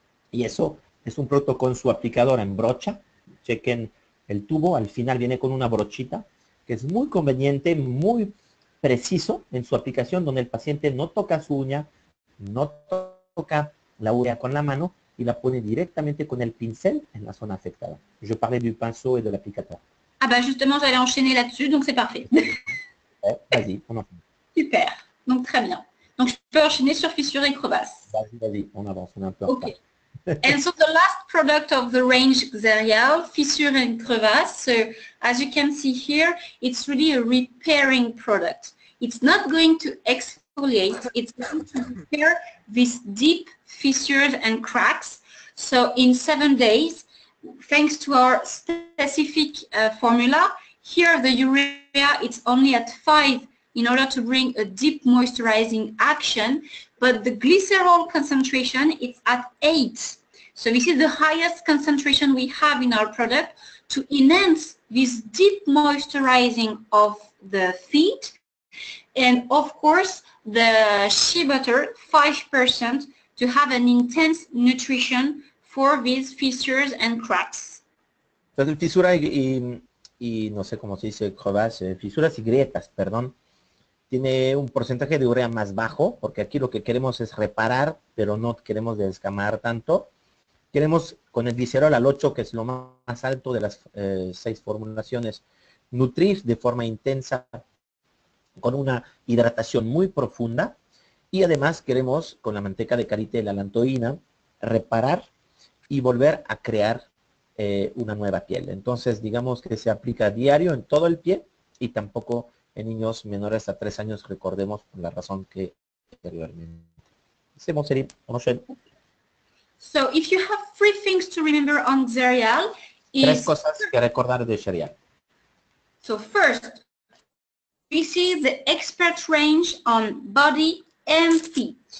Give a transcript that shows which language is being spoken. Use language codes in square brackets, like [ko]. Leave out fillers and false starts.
[es] Y eso es un producto con su aplicadora en brocha. Chequen el tubo, al final viene con una brochita, que es muy conveniente, muy preciso en su aplicación, donde el paciente no toca su uña, no toca la uña con la mano, y la pone directamente con el pincel en la zona afectada. [fr] Je parlais du pinceau et de l'applicateur. Ah ben justement, j'allais enchaîner là-dessus, donc c'est parfait. Vas-y, on enchaîne. Super, donc très bien. Donc je peux enchaîner sur fissure et crevasse. Vas-y, on avance, on est un peu en retard. [en] And so the last product of the range, Xerial, fissure and crevasse, so as you can see here, it's really a repairing product. It's not going to exfoliate, it's going to repair these deep fissures and cracks. So in 7 days, thanks to our specific formula, here the urea is only at 5 in order to bring a deep moisturizing action. But the glycerol concentration is at 8. So this is the highest concentration we have in our product to enhance this deep moisturizing of the feet. And of course, the shea butter, 5%, to have an intense nutrition for these fissures and cracks. [es] Fisura y no sé cómo se dice, crevasse, fissures y grietas, perdón. Tiene un porcentaje de urea más bajo, porque aquí lo que queremos es reparar, pero no queremos descamar tanto. Queremos, con el glicerol al 8, que es lo más alto de las 6 formulaciones, nutrir de forma intensa con una hidratación muy profunda. Y además queremos, con la manteca de karité y la lantoína, reparar y volver a crear una nueva piel. Entonces, digamos que se aplica diario en todo el pie y tampoco en niños menores a 3 años, recordemos por la razón que anteriormente. [en] So if you have 3 things to remember on Xerial, [es] is 3 cosas que recordar de Xerial. [en] So first, we see the expert range on body and feet.